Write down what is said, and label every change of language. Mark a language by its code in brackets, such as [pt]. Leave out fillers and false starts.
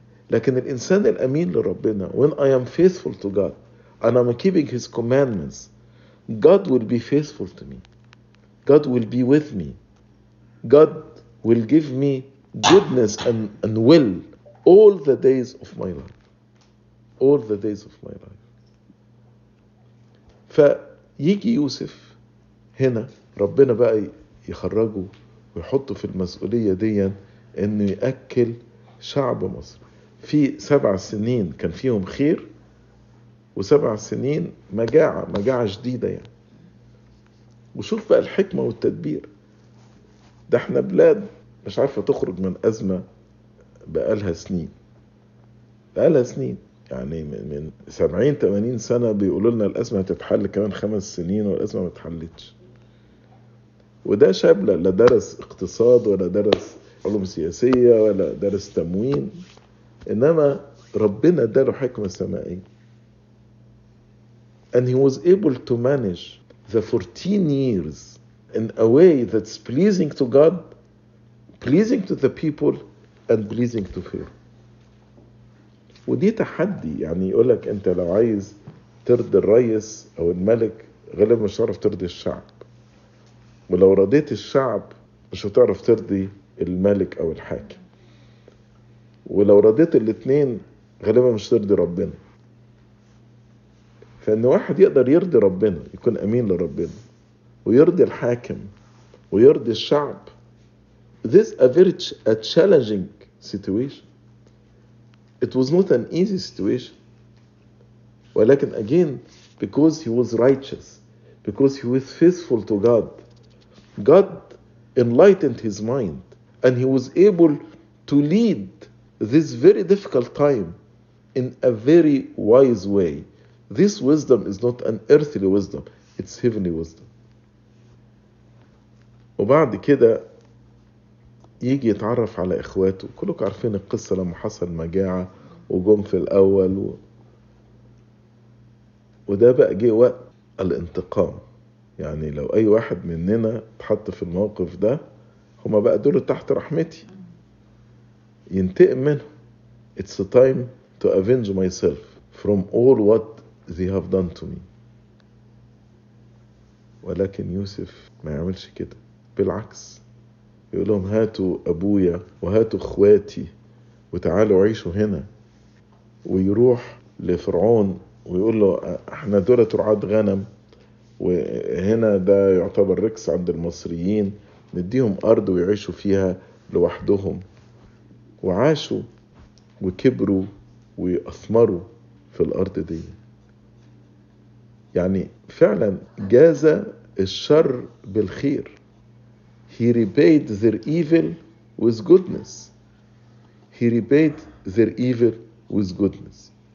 [ar] لكن الانسان الامين لربنا، [en] when I am faithful to God and I'm keeping his commandments God will be faithful to me, God will be with me, God will give me goodness and will all the days of my life, all the days of my life. [ar] فيجي يوسف هنا ربنا بقى يخرجه ويحطه في المسؤولية دي انه يأكل شعب مصر. في 7 سنين كان فيهم خير و7 سنين مجاعة، مجاعة شديدة يعني. وشوف بقى الحكمة والتدبير، ده احنا بلاد مش عارفة تخرج من أزمة بقالها سنين يعني، من 70-80 سنة بيقولوا لنا الأزمة هتتحل كمان 5 سنين والأزمة ما اتحلتش. وده شاب لا درس اقتصاد ولا درس علوم سياسية ولا درس تموين، إنما ربنا اداله حكمة سمائية. [en] And he was able to manage the 14 years in a way that's pleasing to God, pleasing to the people and pleasing to Pharaoh. [ar] ودي تحدي يعني، يقولك انت لو عايز ترضي الرئيس او الملك غالبا مش هتعرف ترضي الشعب، ولو رضيت الشعب مش هتعرف ترضي الملك او الحاكم، ولو رضيت الاثنين غالبا مش ترضي ربنا. فان واحد يقدر يرضي ربنا يكون امين لربنا ويرضي الحاكم ويرضي الشعب، [en] this a very challenging situation. It was not an easy situation. ولكن again, because he was righteous, because he was faithful to God, God enlightened his mind and he was able to lead this very difficult time in a very wise way. This wisdom is not an earthly wisdom, it's heavenly wisdom. [ar] وبعد كده يجي يتعرف على إخواته. كلكم عارفين القصة لما حصل مجاعة وجم في الأول وده بقى جه وقت الانتقام. يعني لو أي واحد مننا تحط في الموقف ده، هما بقى دول تحت رحمتي، ينتقم منه. [en] It's a time to avenge myself from all what they have done to me. [ar] ولكن يوسف ما يعملش كده، بالعكس يقول لهم هاتوا أبويا وهاتوا أخواتي وتعالوا عيشوا هنا. ويروح لفرعون ويقول له احنا دول رعاة غنم وهنا ده يعتبر ركس عند المصريين، نديهم أرض ويعيشوا فيها لوحدهم. وعاشوا وكبروا وأثمروا في الأرض دي. يعني فعلا جاز الشر بالخير. [en] He repaid their evil with goodness. He repaid their evil with goodness.